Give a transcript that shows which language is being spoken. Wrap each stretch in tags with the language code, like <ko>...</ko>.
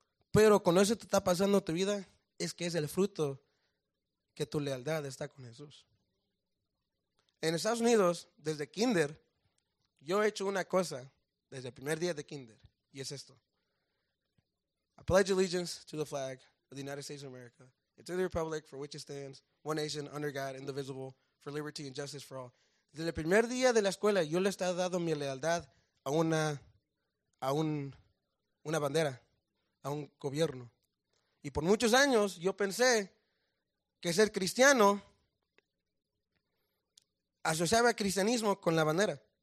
<es>Pero cuando eso te está pasando en tu vida, es que es el fruto que tu lealtad está con Jesús. En Estados Unidos, desde kinder, yo he hecho una cosa desde el primer día de kinder, y es esto.</es> <en>I pledge allegiance to the flag of the United States of America, and to the republic for which it stands, one nation, under God, indivisible, for liberty and justice for all.</en> <es>Desde el primer día de la escuela, yo le he dado mi lealtad a una bandera, a un gobierno. Y por muchos años, yo pensé que ser cristiano asociaba el cristianismo con la bandera.</es>